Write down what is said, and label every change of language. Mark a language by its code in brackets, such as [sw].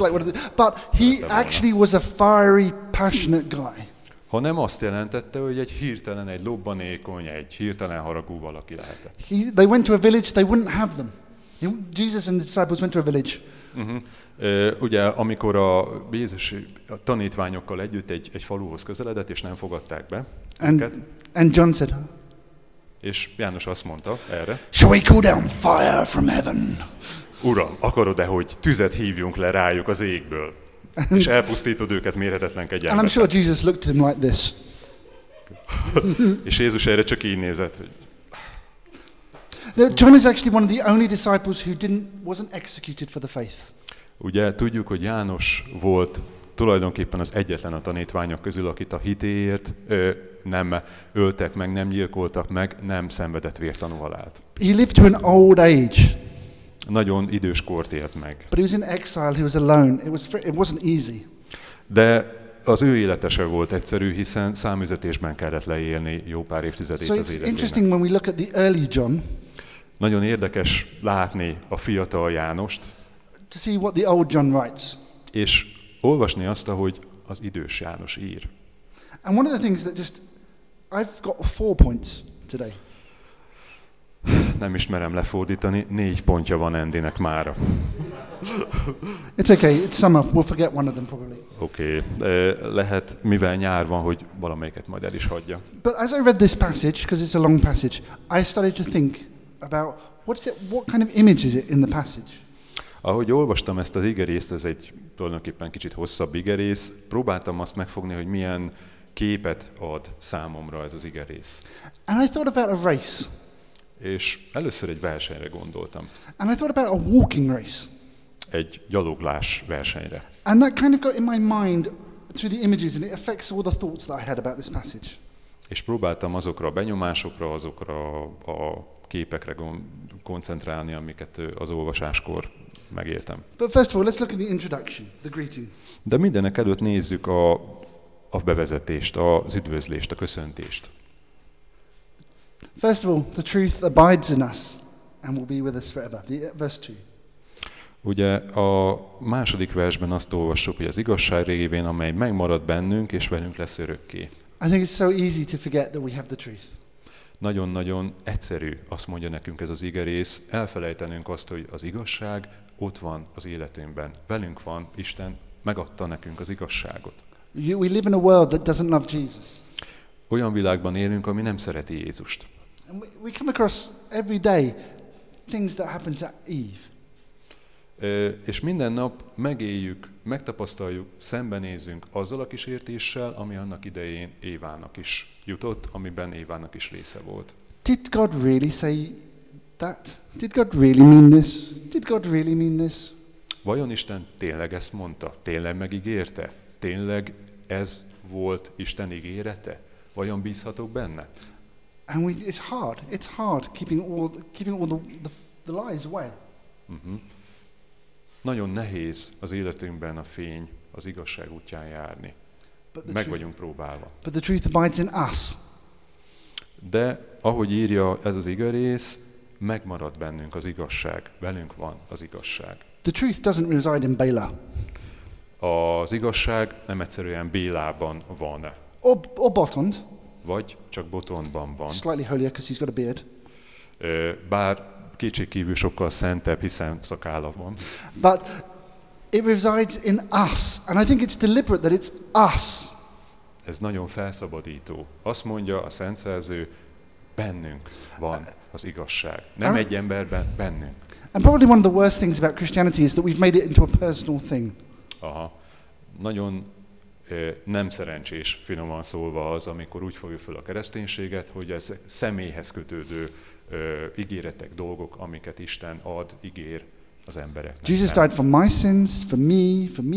[en] Like the, but he actually was a fiery, passionate guy. [hu] Ha nem azt jelentette, hogy egy hirtelen, egy lobbanékony, egy hirtelen haragú valaki lehetett. [en] They went to a village, they wouldn't have them. Jesus and the disciples went to a village. [hu] Ugye, amikor a Jézus a tanítványokkal együtt egy faluhoz közeledett, és nem fogadták be őket. [en] And John said, [hu] és János azt mondta erre. [en] Shall we call down fire from heaven? [hu] Uram, akarod-e, hogy tüzet hívjunk le rájuk az égből? És elpusztítod őket mérhetetlen kegyelmet. [en] And I'm sure Jesus looked at him like this. [hu] És Jézus erre csak így nézett, hogy... [en] Now, John is actually one of the only disciples who wasn't executed for the faith. [hu] Ugye tudjuk, hogy János volt tulajdonképpen az egyetlen a tanítványok közül, akit a hitéért nem öltek meg, nem gyilkoltak meg, nem szenvedett vértanú halált. [en] He lived to an old age. [hu] Nagyon idős kort élt meg. [en] But he was in exile, he was alone. It wasn't easy. [hu] De az ő élete sem volt egyszerű, hiszen számüzetésben kellett leélni jó pár évtizedét [en] so [hu] az életének. [en] So it's interesting when we look at the early John. [hu] Nagyon érdekes látni a fiatal Jánost. [en] To see what the old John writes. [hu] És olvasni azt, ahogy az idős János ír. [en] And one of the things that just, I've got four points today. [hu] Nem ismerem lefordítani, négy pontja van Andynek mára. [en] It's okay, it's summer, we'll forget one of them probably. [hu] Okay, lehet, mivel nyár van, hogy valamelyiket majd el is hagyja. [en] But as I read this passage, because it's a long passage, I started to think about What kind of image is it in the passage? [hu] Ahogy olvastam ezt az igerészt, ez egy tulajdonképpen kicsit hosszabb igerész, próbáltam azt megfogni, hogy milyen képet ad számomra ez az igerész. [en] And I thought about a race. [hu] És először egy versenyre gondoltam. [en] And I thought about a walking race. [hu] Egy gyaloglás versenyre. [en] And that kind of got in my mind through the images, and it affects all the thoughts that I had about this passage. [hu] És próbáltam azokra a benyomásokra, azokra a képekre koncentrálni, amiket az olvasáskor megéltem. [en] But first of all, let's look at the introduction, the greeting. [hu] De mindenek előtt nézzük a bevezetést, az üdvözlést, a köszöntést. [en] First of all, the truth abides in us and will be with us forever. Verse 2. [hu] Ugye a második versben azt olvassuk, hogy az igazság révén, amely megmarad bennünk és velünk lesz örökké. [en] I think it's so easy to forget that we have the truth. [hu] Nagyon-nagyon egyszerű, azt mondja nekünk ez az igerész, elfelejtenünk azt, hogy az igazság ott van az életünkben. Velünk van, Isten megadta nekünk az igazságot. [en] We live in a world that doesn't love Jesus. [hu] Olyan világban élünk, ami nem szereti Jézust. [en] We come across every day things that happen to Eve. [hu] És minden nap megéljük, megtapasztaljuk, szembenézünk azzal a kísértéssel, ami annak idején Évának is jutott, amiben Évának is része volt. [en] Did God really say that? Did God really mean this? Did God really mean this? [hu] Vajon Isten tényleg ezt mondta? Tényleg megígérte? Tényleg ez volt Isten ígérete? Vajon bízhatok benne? [en] And it's hard keeping all the lies away. [hu] Nagyon nehéz az életünkben a fény, az igazság útján járni. Meg vagyunk próbálva. [en] But the truth abides in us. [hu] De ahogy írja ez az igerész, megmarad bennünk az igazság. Velünk van az igazság. [en] The truth doesn't reside in Béla. [hu] Az igazság nem egyszerűen Bélában van. [en] Or Botond. [hu] Vagy csak Botondban van. [en] Slightly holier, because he's got a beard. [hu] Bár kétségkívül sokkal szentebb, hiszen szakálla van. [en] But it resides in us, and I think it's deliberate that it's us. [hu] Ez nagyon felszabadító. Azt mondja a Szent Szerző, bennünk van az igazság. Nem egy emberben, bennünk. [en] And probably one of the worst things about Christianity is that we've made it into a personal thing. Aha. [hu] Nagyon nem szerencsés, finoman szólva az, amikor úgy fogjuk fel a kereszténységet, hogy ez személyhez kötődő ígéretek, dolgok, amiket Isten ad, ígér az embereknek. [en] Jesus died for my sins, for me.